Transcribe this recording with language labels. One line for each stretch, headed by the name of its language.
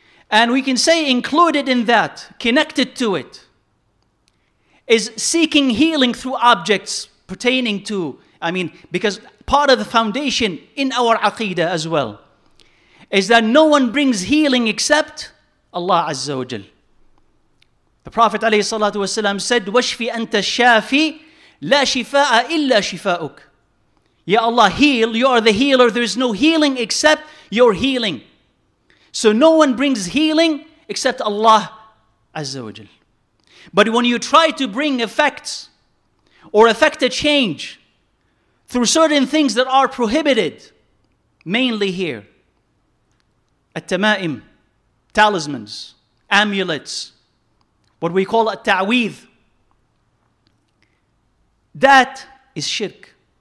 English: And we can say included in that, connected to it, is seeking healing through objects pertaining to, because part of the foundation in our aqidah as well, is that no one brings healing except Allah Azza wa Jal. The Prophet
Arabic: alayhi salatu wasalam
English: said,
Arabic: وَشْفِ أَنْتَ الشَّافِي لَا شِفَاءَ إِلَّا شِفَاءُكَ.
English: Ya Allah, heal, you are the healer, there is no healing except your healing. So no one brings healing except Allah Azza wa Jal. But when you try to bring effects or effect a change through certain things that are prohibited, mainly here, at-tama'im, talismans, amulets, what we call at-ta'weedh, that is shirk.